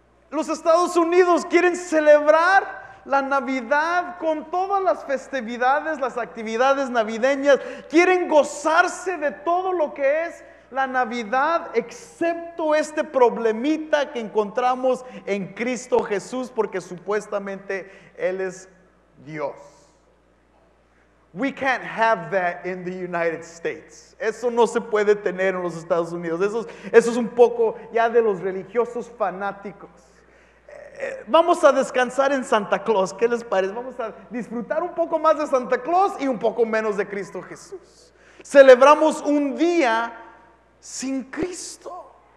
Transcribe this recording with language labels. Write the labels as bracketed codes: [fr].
[es] Los Estados Unidos quieren celebrar la Navidad con todas las festividades, las actividades navideñas. Quieren gozarse de todo lo que es la Navidad, excepto este problemita que encontramos en Cristo Jesús, porque supuestamente Él es Dios. [en] We can't have that in the United States. [es] Eso no se puede tener en los Estados Unidos. Eso es un poco ya de los religiosos fanáticos. Vamos a descansar en Santa Claus. ¿Qué les parece? Vamos a disfrutar un poco más de Santa Claus y un poco menos de Cristo Jesús. Celebramos un día sin Cristo.